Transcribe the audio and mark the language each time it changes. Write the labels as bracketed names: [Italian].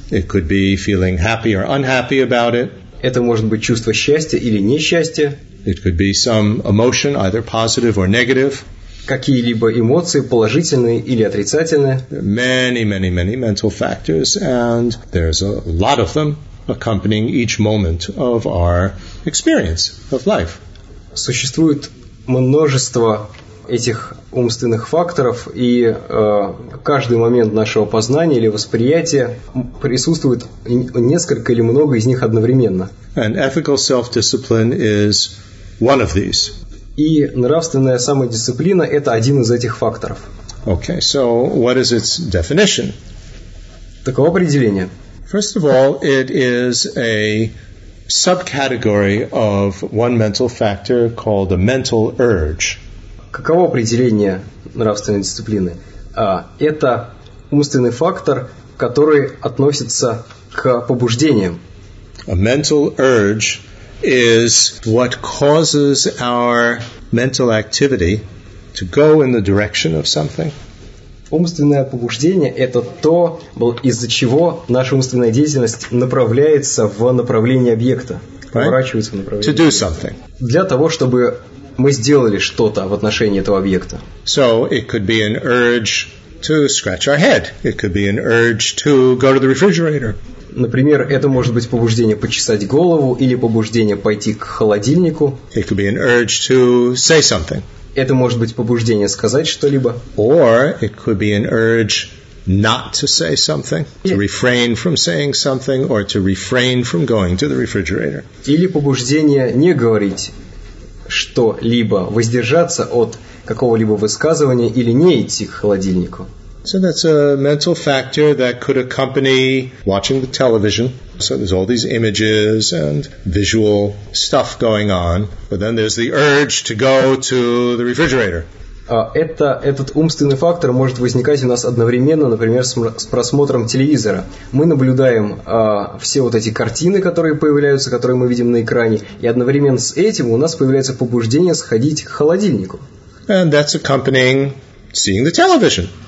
[English] It could be feeling happy or unhappy about it. [Russian] Это может быть чувство счастья или несчастья. [English] It could be some emotion, either positive or negative. [Russian] Какие-либо эмоции, положительные или отрицательные. [English] Many, many, many mental factors, and there's a lot of them accompanying each moment of our experience of life. [Russian] Существует множество этих умственных факторов, и каждый момент нашего познания или восприятия присутствует несколько или много из них одновременно. [English] And ethical self-discipline is one of these. [Russian] И нравственная самодисциплина – это один из этих факторов. [English] Okay, so what is its definition? [Russian] Таково определение. [English] First of all, it is a subcategory of one mental factor called a mental urge. [Russian] Каково определение нравственной дисциплины? Это умственный фактор, который относится к побуждениям. [English] A mental urge is what causes our mental activity to go in the direction of something. [Russian] Умственное побуждение – это то, из-за чего наша умственная деятельность направляется в направлении объекта, [English] right? [Russian] Поворачивается в направлении [English] to do something. [Russian] Для того, чтобы мы сделали что-то в отношении этого объекта. [English] So it could be an urge to scratch our head. It could be an urge to go to the refrigerator. [Russian] Например, это может быть побуждение почесать голову или побуждение пойти к холодильнику. [English] It could be an urge to say something. [Russian] Это может быть побуждение сказать что-либо. [English] Or it could be an urge not to say something, to refrain from saying something, or to refrain from going to the refrigerator. [Russian] Или побуждение не говорить что-либо, воздержаться от какого-либо высказывания или не идти к холодильнику. [English] So that's a mental factor that could accompany watching the television. So there's all these images and visual stuff going on, but then there's the urge to go to the refrigerator. [Russian] Этот умственный фактор может возникать у нас одновременно, например, с просмотром телевизора. Мы наблюдаем все вот эти картины, которые появляются, которые мы видим на экране, и одновременно с этим у нас появляется побуждение сходить к холодильнику. [English] And that's accompanying seeing the television.